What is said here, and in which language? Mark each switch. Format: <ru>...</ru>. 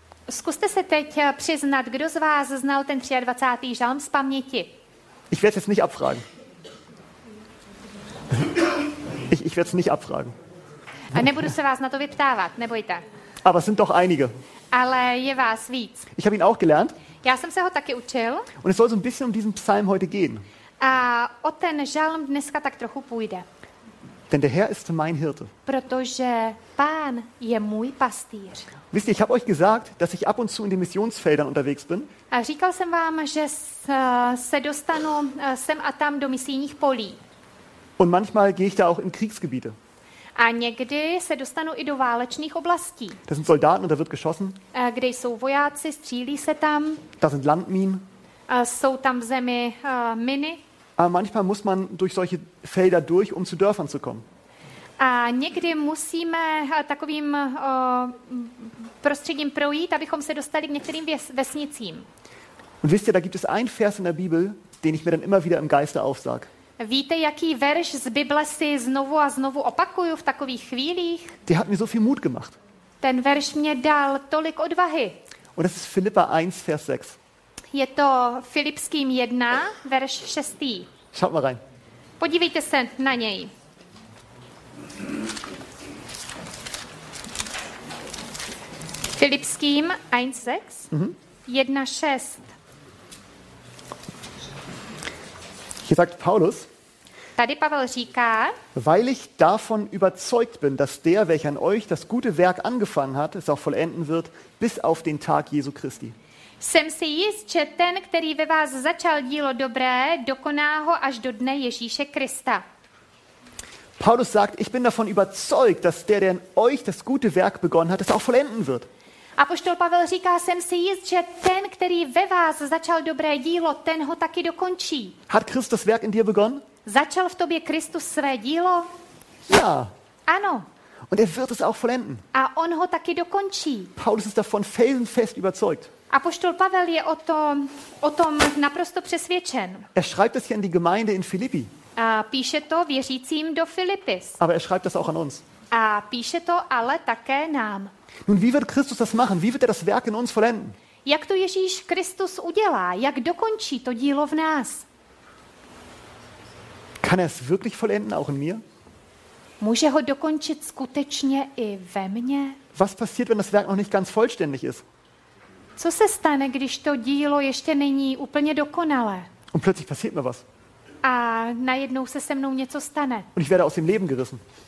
<cs>Zkuste se teď přiznat, kdo z vás znal ten 23. žalm z paměti?</cs> <de>Ich werde es jetzt nicht abfragen. Ich werde es nicht abfragen.</de> <cs>A nebudu se vás na to vyptávat, nebojte.</cs> <de>Aber es sind doch einige.</de> <cs>Ale je vás víc.</cs> <de>Ich habe ihn auch gelernt.</de> <cs>Já jsem se ho taky učil.</cs> <de>Und es soll so ein bisschen um diesen Psalm heute gehen.</de> <cs>A o ten žalm dneska tak trochu půjde.</cs> <de>Denn der Herr ist mein Hirte.</de> <cs>Protože Pán je můj pastýř.</cs> <de>Wisst ihr, ich habe euch gesagt, dass ich ab und zu in den Missionsfeldern unterwegs bin.</de> <cs>A říkal jsem vám, že se dostanu sem a tam do misijních polí.</cs> <de>Und manchmal gehe ich da auch in Kriegsgebiete.</de> <cs>A někdy se dostanu i do válečných oblastí.</cs> <de>Da sind Soldaten und da wird geschossen.</de> <cs>Kde jsou vojáci, střílí se tam.</cs> <de>Da sind Landminen.</de> <cs>Jsou tam v zemi miny.</cs> <de>Aber manchmal muss man durch solche Felder durch, um zu Dörfern zu kommen.</de> <cs>A někdy musíme takovým prostředím projít, abychom se dostali k některým vesnicím.</cs> <de>Und wisst ihr, da gibt es einen Vers in der Bibel, den ich mir dann immer wieder im Geiste aufsag.</de> <cs>Víte, jaký verš z Bible si znovu a znovu opakuju v takových chvílích?</cs> <de>Der hat mir so viel Mut gemacht.</de> <cs>Ten verš mě dal tolik odvahy.</cs> <de>Und das ist Philippa 1, Vers 6.</de> <cs>Je to Filipským 1, verš 6.</cs> <de>Schaut mal rein.</de> <cs>Podívejte se na něj. Filipským 1:6. Mhm. 1:6.</cs> <de>Hier sagt Paulus.</de> <cs>Tady Pavel říká,</cs> <de>weil ich davon überzeugt bin, dass der, welcher an euch das gute Werk angefangen hat, es auch vollenden wird bis auf den Tag Jesu Christi.</de> <cs>Jsem si jist, že ten, který ve vás začal dílo dobré, dokoná ho až do dne Ježíše Krista.</cs> <de>Paulus sagt, ich bin davon überzeugt, dass der in euch das gute Werk begonnen hat, es auch vollenden wird.</de> <cs>Apoštol Pavel říká, jsem si jist, že ten, který ve vás začal dobré dílo, ten ho taky dokončí.</cs> <de>Hat Christus Werk in dir begonnen?</de> <cs>Začal v tobě Kristus své dílo?</cs> <de>Ja.</de> <cs>Ano.</cs> <de>Und wird es auch vollenden.</de> <cs>A on ho taky dokončí.</cs> <de>Paulus ist davon felsenfest überzeugt.</de> <cs>Apoštol Pavel je o tom naprosto přesvědčen.</cs> <de>Er schreibt es hier an die Gemeinde in Philippi.</de> <cs>A píše to věřícím do Filipis.</cs> <de>Aber er schreibt das auch an uns.</de> <cs>A píše to ale také nám.</cs> <de>Nun, wie wird Christus das machen? Wie wird das Werk in uns vollenden?</de> <cs>Jak to Ježíš Kristus udělá? Jak dokončí to dílo v nás?</cs> <de>Kann er es wirklich vollenden, auch in mir?</de> <cs>Může ho dokončit skutečně i ve mně?</cs> <de>Was passiert, wenn das Werk noch nicht ganz vollständig ist?</de> <cs>Co se stane, když to dílo ještě není úplně dokonalé?</cs> <de>Und plötzlich passiert mir was.</de> <cs>A najednou se mnou něco stane.</cs> <de>Und ich werde aus dem Leben gerissen.</de>